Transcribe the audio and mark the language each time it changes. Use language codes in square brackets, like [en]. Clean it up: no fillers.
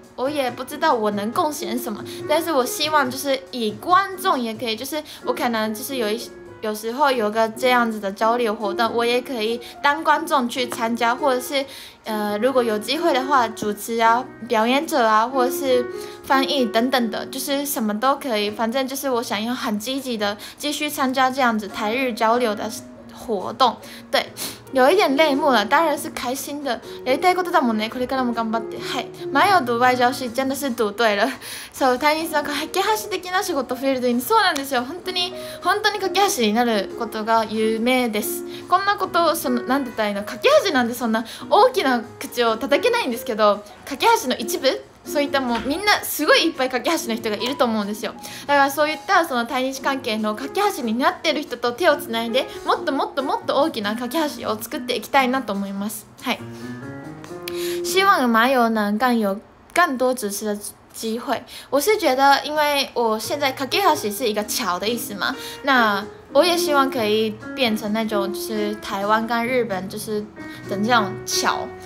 [zh] 我也不知道我能贡献什么，但是我希望就是以观众也可以，就是我可能就是有时候有个这样子的交流活动，我也可以当观众去参加，或者是如果有机会的话，主持啊、表演者啊，或者是翻译等等的，就是什么都可以，反正就是我想要很积极的继续参加这样子台日交流的活动。对，有一点泪目了，当然是开心的。 [ja] やりたいことだもんね。これからも頑張って。はい。前を [zh] 读外交史真的是读对了。 [ja] そう、タイニーさん、架け橋的な仕事増えるといいね。そうなんですよ。本当に本当に架け橋になることが有名です。こんなことをその何て言ったらいいの？架け橋なんでそんな大きな口を叩けないんですけど、架け橋の一部。そういったもうみんなすごいいっぱい架け橋の人がいると思うんですよ。だからそういったその対日関係の架け橋になっている人と手をつないで、もっともっともっと大きな架け橋を作っていきたいなと思います。はい。 [zh] 希望马友能更有更多支持的机会。我是觉得，因为我现在架け橋是一个桥的意思嘛，那我也希望可以变成那种就是台湾跟日本就是的这种桥。